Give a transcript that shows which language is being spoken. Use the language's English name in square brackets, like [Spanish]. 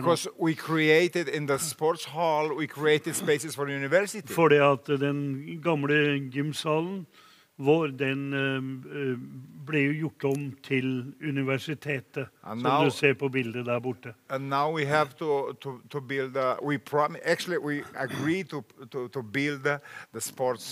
[English] Because we created in the sports hall, we created spaces for university. [Norwegian] Fordi at den gamle gymsalen vår, den ble jo gjort om til universitetet, [English] and [Norwegian] som [English] now, [Norwegian] du ser på bildet der borte. [English] And now we have to build, we agreed to build the sports